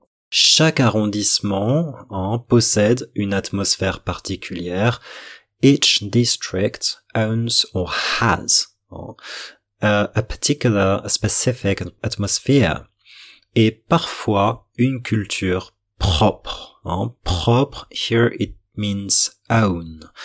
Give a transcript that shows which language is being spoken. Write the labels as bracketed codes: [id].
[fr] Chaque arrondissement possède une atmosphère particulière. [en] Each district owns or has a specific atmosphere. [fr] Et parfois, une culture propre. [en] Propre, here it means own.